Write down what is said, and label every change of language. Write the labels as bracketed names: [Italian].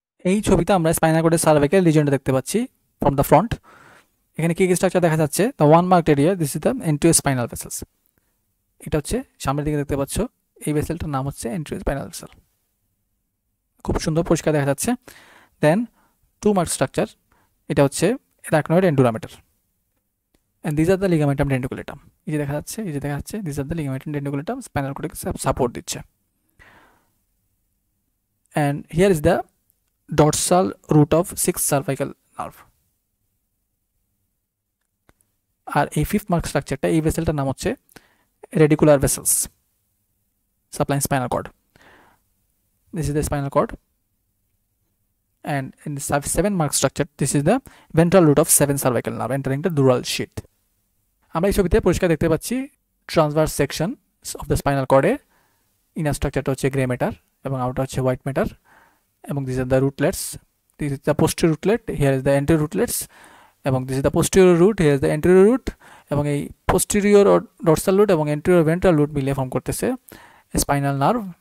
[Bangla] এই ছবিতে আমরা স্পাইনাল কর্ডের সার্ভাইকাল রিজিয়নটা দেখতে পাচ্ছি [English] from the front, [Bangla] এখানে কী কী স্ট্রাকচার দেখা যাচ্ছে, the 1 mark area, [English] this is the anterior spinal vessels, [Bangla] এটা হচ্ছে সামনের দিকে দেখতে পাচ্ছ এই ভেসেলটার নাম হচ্ছে এন্ট্রিও স্পাইনাল ভেসেল, খুব সুন্দর পরিষ্কার দেখা যাচ্ছে। দেন 2 মার্ক স্ট্রাকচার, এটা হচ্ছে এরাকনয়েড এন্ডুরামিটার, [English] and these are the ligamentum dentriculatum. [Bangla] এই যে দেখা যাচ্ছে, [English] এই যে দেখা যাচ্ছে, these are the ligamentum dentriculatum spinal cord [Bangla] K support দিচ্ছে. [English] And here is the dorsal root of 6th cervical nerve. [Bangla] আর এই 5th মার্ক স্ট্রাকচারটা, এই ভেসেলটার নাম হচ্ছে radicular vessels supplying spinal cord. [English] This is the spinal cord. And in the 7th mark structure, this is the ventral root of 7th cervical nerve entering the dural sheath. [Bangla] আমরা এই ছবিতে পরিষ্কার দেখতে পাচ্ছি [English] transverse section of the spinal cord. Inner structure টা হচ্ছে gray matter এবং outer হচ্ছে white matter. এবং these are the rootlets. This is the posterior rootlet. Here is the anterior rootlets. এবং this is the posterior root. Here is the anterior root. [Bangla] এবং এই posterior dorsal root এবং anterior ventral root মিলে form করতেছে spinal nerve.